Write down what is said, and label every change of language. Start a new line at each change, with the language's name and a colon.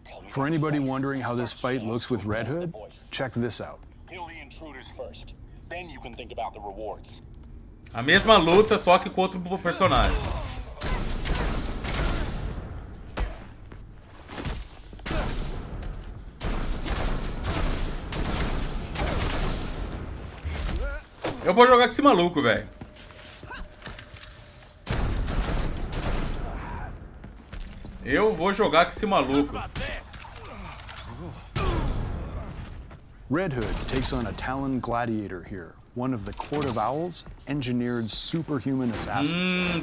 English: For anybody wondering how this fight looks with Red Hood, check this out. Kill the intruders first, then you can think about the rewards.
Portuguese: A mesma luta, só que com outro personagem. Eu vou jogar com esse maluco, velho. Eu vou jogar com esse maluco.
English: Red Hood takes on a Talon Gladiator here, one of the Court of Owls' engineered superhuman assassins.